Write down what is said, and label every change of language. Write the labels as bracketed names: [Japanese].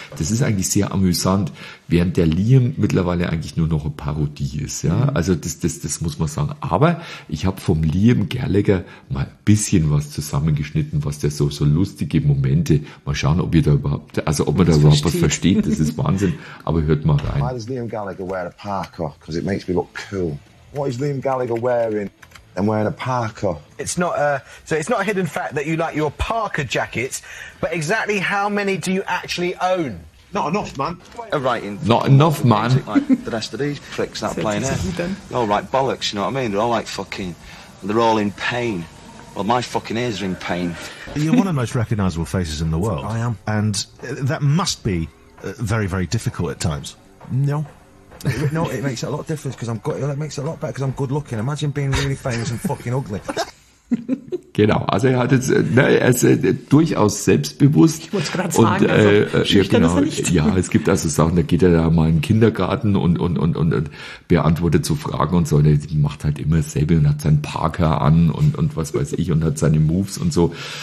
[German] Das ist eigentlich sehr amüsant, während der Liam mittlerweile eigentlich nur noch eine Parodie ist. Ja? Also das muss man sagen. Aber ich habe vom Liam Gallagher mal ein bisschen was zusammengeschnitten, was der so lustige Momente, mal schauen, ob ihr da überhaupt, also ob man da überhaupt was versteht, das ist Wahnsinn. Aber hört mal rein. [English] Why does Liam Gallagher wear a parka? Because it makes me look cool. What is Liam Gallagher wearing? I'm wearing a parka. It's not a hidden fact that you like your parka jackets, but exactly how many do you actually own? Not enough, man. A writing. Not enough, man. Like the rest of these pricks that are playing here. They're all like bollocks, you know what I mean? They're all like fucking, they're all in pain. Well, my fucking ears are in pain. You're one of the most recognisable faces in the world. I am. And that must be very, very difficult at times. No. No, it makes it a lot of difference because I'm good. It makes it a lot better because I'm good looking. Imagine being really famous and fucking ugly. [German] Genau, also er hat jetzt, ne, er ist durchaus selbstbewusst. Ich wollte es gerade sagen, und, also, genau, ist er nicht. Ja, es gibt also Sachen, da geht er da mal in den Kindergarten und beantwortet so Fragen und so. Und er macht halt immer dasselbe und hat seinen Parker an und was weiß ich und hat seine Moves und so.